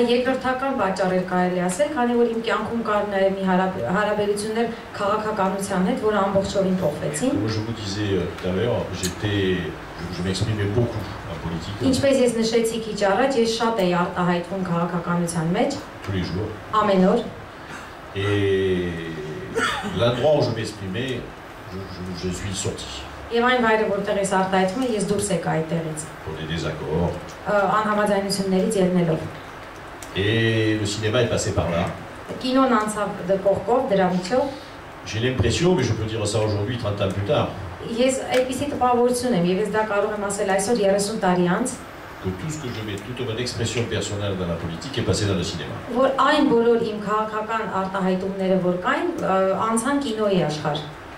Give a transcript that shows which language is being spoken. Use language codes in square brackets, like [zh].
[fr] je vous disais tout à l'heure, je m'exprimais beaucoup en politique. [hy] Ինչպես ես նշեցի քիչ առաջ, ես շատ էի արտահայտվում քաղաքականության մեջ. [fr] Tous les jours. [hy] Ամեն օր. [fr] Et l'endroit où je m'exprimais, je suis sorti. [hy] Եվ այն վայրը, որտեղ ես արտահայտվում եմ, ես դուրս եկա այդտեղից. [fr] Pour des désaccords. [hy] Անհամաձայնություններից ելնելով. [fr] Et le cinéma est passé par là. [hy] Կինոն անցավ դե կողքով դրա միջով. [fr] J'ai l'impression, mais je peux dire ça aujourd'hui, 30 ans plus tard. [hy] Ես այսպեսի տպավորություն եմ, եւ ես դա կարող եմ ասել այսօր 30 տարի անց. [fr] Que tout ce que je mets, toute mon expression personnelle dans la politique est passé dans le cinéma. [hy] Որ այն բոլոր իմ քաղաքական արտահայտումները, որ կային, անցան կինոյի աշխարհ.